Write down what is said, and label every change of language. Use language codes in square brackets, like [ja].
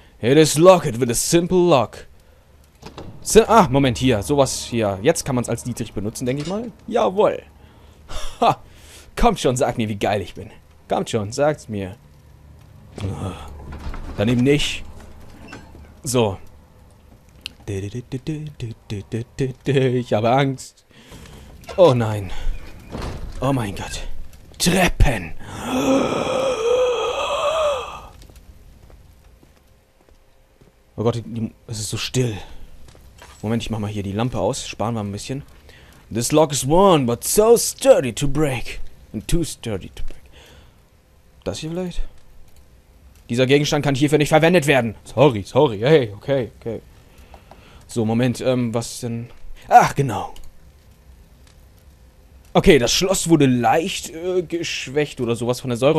[en] It is locked with a simple lock. [de] Ah, Moment, hier, sowas hier. Jetzt kann man es als Dietrich benutzen, denke ich mal. Jawohl. Ha, kommt schon, sag mir, wie geil ich bin. Kommt schon, sag's mir. Dann eben nicht. So. Ich habe Angst. Oh nein. Oh mein Gott. Treppen. Oh Gott, es ist so still. Moment, ich mach mal hier die Lampe aus. Sparen wir ein bisschen. [en] This lock is worn, but so sturdy to break. And too sturdy to break. [de] Das hier vielleicht? Dieser Gegenstand kann hierfür nicht verwendet werden. Sorry. Hey, okay. So, Moment, was denn? Ach, genau. Okay, das Schloss wurde leicht geschwächt oder sowas von der Säure.